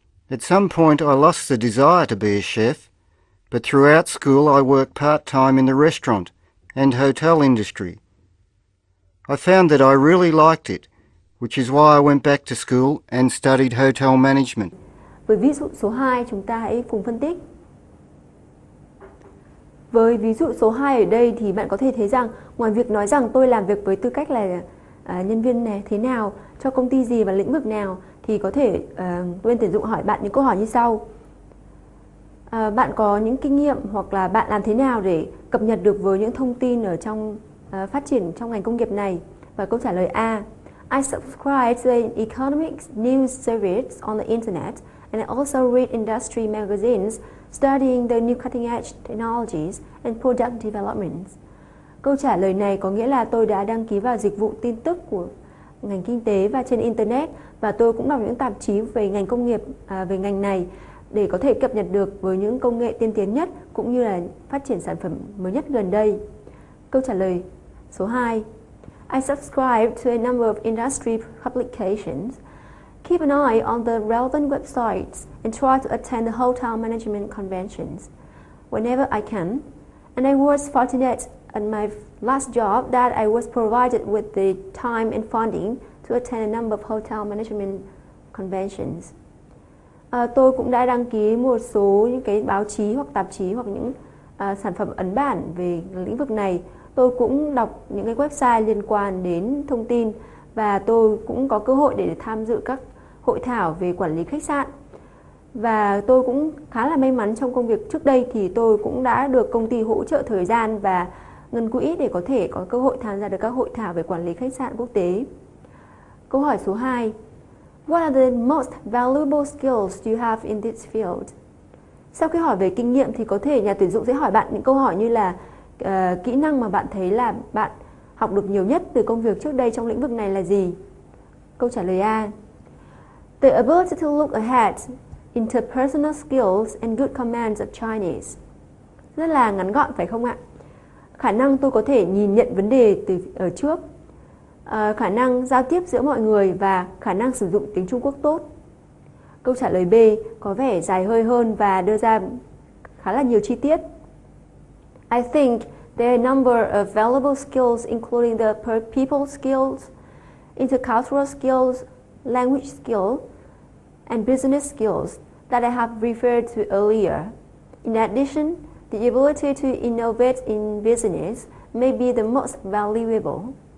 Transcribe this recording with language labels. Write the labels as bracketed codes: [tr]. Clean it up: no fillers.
[en] At some point, I lost the desire to be a chef, but throughout school, I worked part-time in the restaurant and hotel industry. I found that I really liked it, which is why I went back to school and studied hotel management. [vi] Với ví dụ số 2, chúng ta hãy cùng phân tích. Với ví dụ số 2 ở đây thì bạn có thể thấy rằng ngoài việc nói rằng tôi làm việc với tư cách là nhân viên này thế nào, cho công ty gì và lĩnh vực nào thì có thể tôi tuyển dụng hỏi bạn những câu hỏi như sau. Bạn có những kinh nghiệm hoặc là bạn làm thế nào để cập nhật được với những thông tin ở trong phát triển trong ngành công nghiệp này? Và câu trả lời A. [en] I subscribe to an economic news service on the internet and I also read industry magazines studying the new cutting edge technologies and product developments. [vi] Câu trả lời này có nghĩa là tôi đã đăng ký vào dịch vụ tin tức của ngành kinh tế và trên internet và tôi cũng đọc những tạp chí về ngành công nghiệp về ngành này để có thể cập nhật được với những công nghệ tiên tiến nhất cũng như là phát triển sản phẩm mới nhất gần đây. Câu trả lời số 2. [en] I subscribe to a number of industry publications, keep an eye on the relevant websites and try to attend the hotel management conventions whenever I can. And I was fortunate at my last job that I was provided with the time and funding to attend a number of hotel management conventions. [vi] Tôi cũng đã đăng ký một số những cái báo chí hoặc tạp chí hoặc những sản phẩm ấn bản về lĩnh vực này. Tôi cũng đọc những cái website liên quan đến thông tin và tôi cũng có cơ hội để tham dự các hội thảo về quản lý khách sạn. Và tôi cũng khá là may mắn trong công việc trước đây thì tôi cũng đã được công ty hỗ trợ thời gian và ngân quỹ để có thể có cơ hội tham gia được các hội thảo về quản lý khách sạn quốc tế. Câu hỏi số 2. [en] What are the most valuable skills you have in this field? [vi] Sau khi hỏi về kinh nghiệm thì có thể nhà tuyển dụng sẽ hỏi bạn những câu hỏi như là kỹ năng mà bạn thấy là bạn học được nhiều nhất từ công việc trước đây trong lĩnh vực này là gì? Câu trả lời A. [en] The ability to look ahead, interpersonal skills and good command of Chinese. [vi] Rất là ngắn gọn phải không ạ? Khả năng tôi có thể nhìn nhận vấn đề từ ở trước. Khả năng giao tiếp giữa mọi người và khả năng sử dụng tiếng Trung Quốc tốt. Câu trả lời B có vẻ dài hơi hơn và đưa ra khá là nhiều chi tiết. [en] I think there are a number of valuable skills including the people skills, intercultural skills, language skills, and business skills that I have referred to earlier. In addition, the ability to innovate in business may be the most valuable.